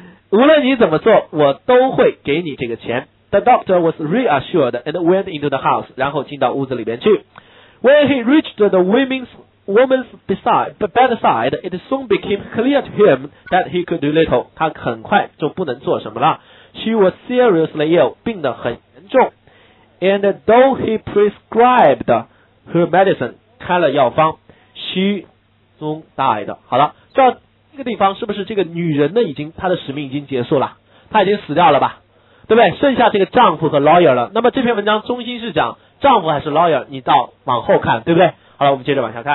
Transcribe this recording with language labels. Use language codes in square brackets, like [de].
[zh] 无论你怎么做，我都会给你这个钱。 [en] The doctor was reassured and went into the house, [zh] 然后进到屋子里边去。 [en] When he reached the woman's bedside, it soon became clear to him that he could do little. [zh] 他很快就不能做什么了。 [en] She was seriously ill, [zh] 病得很严重。 [en] And though he prescribed her medicine, [zh] 开了药方， [en] she soon died. [zh] 好了，这个地方是不是这个女人呢，已经她的使命已经结束了，她已经死掉了吧，对不对？剩下这个丈夫和 lawyer 了。那么这篇文章中心是讲丈夫还是 lawyer， 你到往后看，对不对？好了，我们接着往下看。